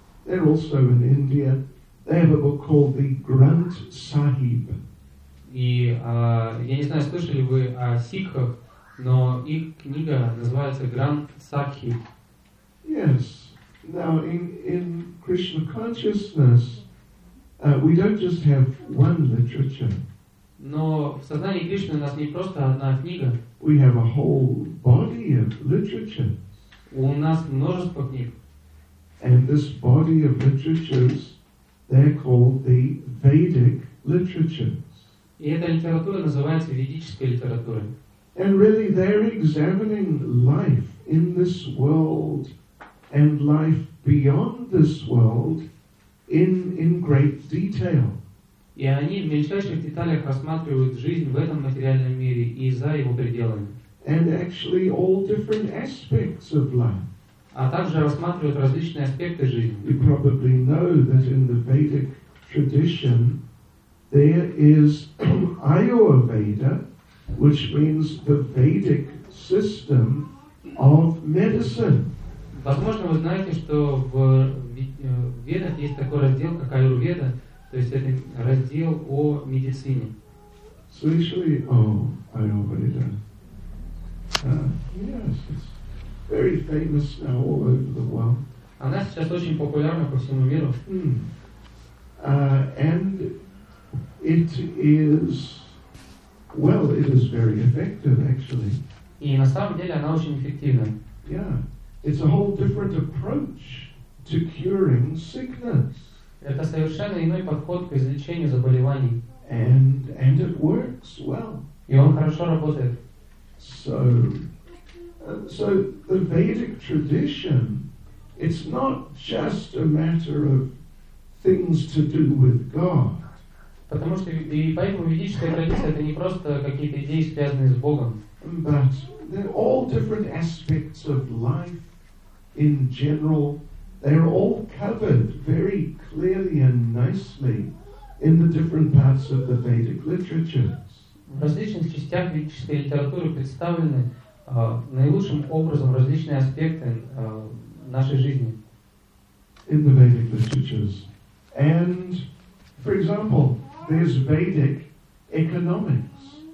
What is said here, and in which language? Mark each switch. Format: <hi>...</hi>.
<en>They're also in India. They have a book called the Granth Sahib.</en> <ru>И я не знаю, слышали вы о сикхах? Но их книга называется Гранд Сахи.</ru> <en>Yes. Now in Krishna consciousness, we don't just have one literature.</en> <ru>Но в сознании Кришны у нас не просто одна книга.</ru> <en>We have a whole body of literature.</en> <ru>У нас множество книг.</ru> <en>And this body of literatures, they're called the Vedic literatures.</en> <ru>И эта литература называется ведической литературой.</ru> <en>And really, they're examining life in this world and life beyond this world in great detail.</en> <ru>И они в мельчайших деталях рассматривают жизнь в этом материальном мире и за его пределами.</ru> <en>And actually, all different aspects of life.</en> <ru>А также рассматривают различные аспекты жизни.</ru> <en>You probably know that in the Vedic tradition there is Ayurveda, which means the Vedic system of medicine.</en> <ru>Возможно, вы знаете, что в Ведах есть такой раздел, как Аюрведа, то есть это раздел о медицине. Слышали о Аюрведе?</ru> <en>Yes, it's very famous now all over the world.</en> <ru>Она сейчас очень популярна по всему миру.</ru> <en>And it is... Well, it is very effective, actually.</en> <ru>И на самом деле она очень эффективна.</ru> <en>Yeah, it's a whole different approach to curing sickness.</en> <ru>Это совершенно иной подход к излечению заболеваний.</ru> <en>And it works well.</en> <ru>И он хорошо работает.</ru> <en>So the Vedic tradition, it's not just a matter of things to do with God.</en> <ru>Потому что и поэтому ведическая традиция это не просто какие-то идеи, связанные с Богом.</ru> <en>But they're all different aspects of life in general. They're all covered very clearly and nicely in the different parts of the Vedic literatures.</en> <ru>В различных частях ведической литературы представлены наилучшим образом различные аспекты нашей жизни.</ru> <en>In the Vedic literatures. And, for example, there's Vedic economics.</en>